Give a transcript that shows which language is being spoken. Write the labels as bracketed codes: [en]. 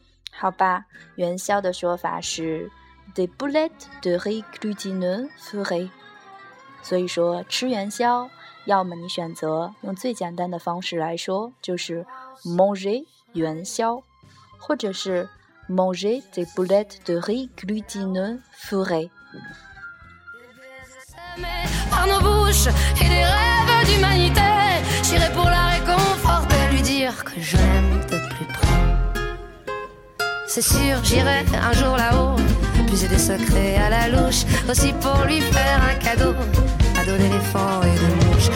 [fr] 好吧，元宵的说法是 Des boulettes de riz glutineux fourré。 [zh] 所以说吃元宵，要么你选择用最简单的方式来说，就是 manger 元宵，或者是 manger des boulettes de riz glutineux fourré。 [fr] Par nos bouches et des rêves d'humanité, j'irai pour la réconforter, lui dire que je l'aime de plus près。 C'est sûr, j'irai un jour là-haut, puiser des secrets à la louche, aussi pour lui faire un cadeau, à dos d'éléphant et de mouche.